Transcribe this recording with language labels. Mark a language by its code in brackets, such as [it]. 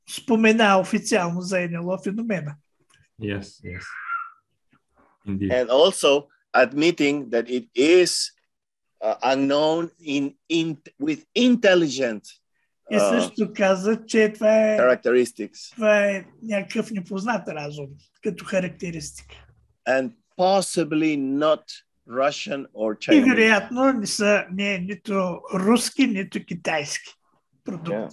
[bg] Спомена официално за НЛО феномена. [en] Yes, yes. Indeed. And also admitting that it is unknown with intelligent [bg] и също каза, че това е [en] characteristics. [bg] Това е някакъв непознат разум като характеристика. [en] And possibly not Russian or Chinese. [bg] И вероятно не е нито руски, нито китайски продукт.